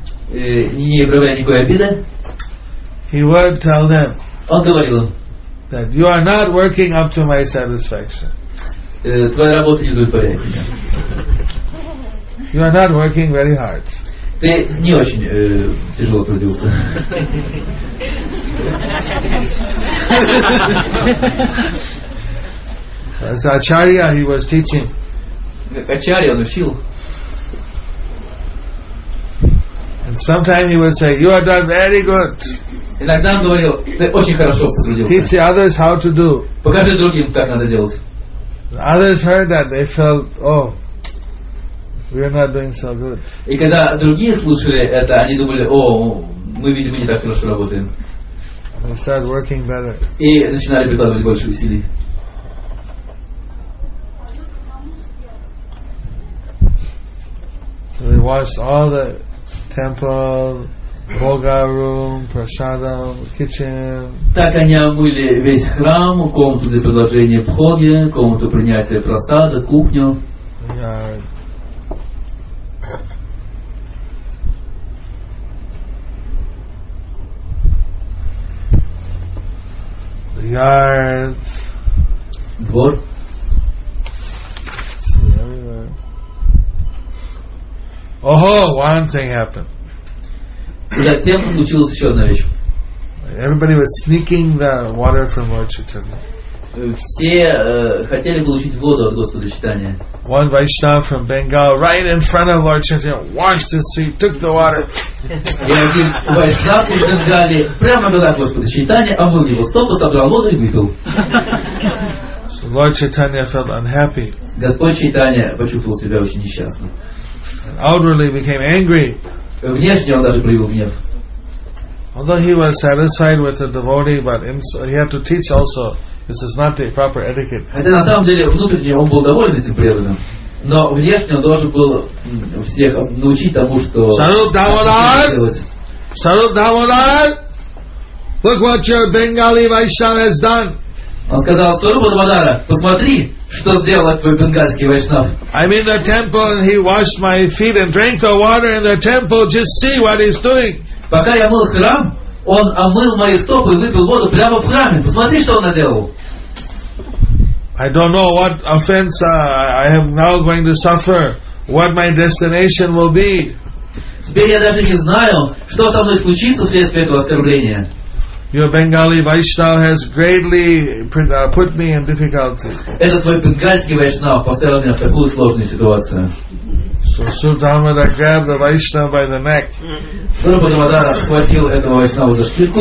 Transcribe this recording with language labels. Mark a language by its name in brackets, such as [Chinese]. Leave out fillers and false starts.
[Russian] не проявляя никакой обиды, [English] he would tell them, [Russian] он говорил им, [English] that you are not working up to my satisfaction. [Russian] Твоя работа не удовлетворяет меня. [English] You are not working very hard. [Russian] Ты не очень тяжело трудился. [English] As Acharya, he was teaching. [Russian] Acharya, он учил. [English] And sometimes he would say, you have done very good. [Russian] Иногда он говорил, ты очень хорошо потрудился. [English] Teach the others how to do. [Russian] Покажи другим, как надо делать. [English] The others heard that, they felt, oh, we are not doing so good. [Russian] И когда другие слушали это, они думали, о, мы, видимо, не так хорошо работаем. [English] And they started working better. [Russian] И начинали прикладывать больше усилий. [English] So they watched all the temple, bhoga room, prasadam, kitchen. [Russian] Так они омыли весь храм, комнату для предложения бхоги, комнату принятия прасада, кухню. [English] The yard. [Russian] Двор. [English] Oh, one thing happened. [Russian] Затем случилась еще одна вещь. [English] Everybody was sneaking the water from Lord Chaitanya. [Russian] Все хотели получить воду от Господа Читания. [English] One Vaishnava from Bengal, right in front of Lord Chaitanya, washed his feet, took the water. [Russian] И один Vaishnava из Бенгалии прямо туда к Господу Читания, омыл его стопы, собрал воду и выпил. [English] So Lord Chaitanya felt unhappy. [Russian] Господь Читания почувствовал себя очень несчастным. [English] And outwardly became angry. [Russian] Внешне он даже проявил гнев. [English] Although he was satisfied with the devotee, but he had to teach also. This is not the proper etiquette. [Russian] Хотя на самом деле внутренне он был доволен этим преданным, но внешне он должен был всех научить тому, что. Sarup Damodar. Sarup Damodar. [English] Look what your Bengali Vaishnava has done. [Russian] Он сказал Сарупа Дамодара, посмотри, что сделал твой бенгальский вайшнав. [English] I'm in the temple and he washed my feet and drank the water in the temple. Just see what he's doing. [Russian] Пока я мыл храм, он омыл мои стопы и выпил воду прямо в храме. Посмотри, что он наделал. [English] I don't know what offense I am now going to suffer. What my destination will be. [Russian] Теперь я даже не знаю, что со мной случится вследствие этого оскорбления. [English] Your Bengali Vaishnava has greatly put me in difficulty. [Russian] Этот твой бенгальский вайшнав поставил меня в такую сложную ситуацию. [English] So Sarupa Damodara grabbed the Vaishnava by the neck. [Russian] Сарупа Дамодара схватил этого вайшнава за шкирку.